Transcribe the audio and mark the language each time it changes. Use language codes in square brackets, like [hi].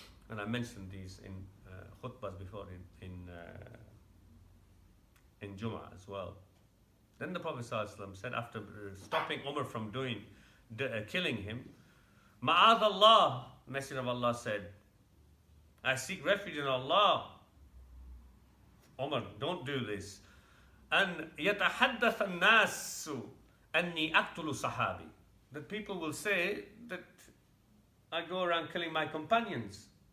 [en] And I mentioned these in khutbahs before in Jummah as well. Then the Prophet ﷺ said, after stopping Umar from killing him, Ma'ath Allah, Messenger of Allah said, I seek refuge in Allah. Umar, don't do this. [ar] And يتحدث الناس أني أقتل صحابي. [en] The people will say that I go around killing my companions.